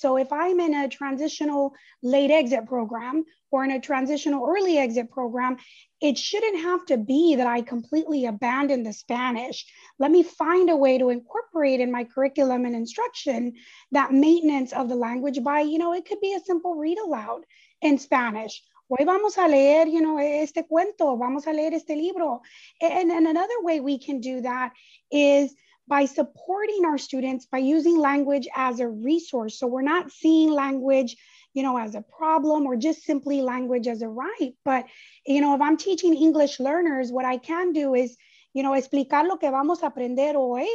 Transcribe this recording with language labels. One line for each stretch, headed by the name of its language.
English: So if I'm in a transitional late exit program or in a transitional early exit program, it shouldn't have to be that I completely abandon the Spanish. Let me find a way to incorporate in my curriculum and instruction that maintenance of the language by, you know, it could be a simple read aloud in Spanish.
Spanish: Hoy vamos a leer,
English: you know,
Spanish: este cuento, vamos a leer este libro.
English: And another way we can do that is by supporting our students by using language as a resource. So we're not seeing language, you know, as a problem or just simply language as a right. But, you know, if I'm teaching English learners, what I can do is, you know,
Spanish: explicar lo que vamos a aprender hoy.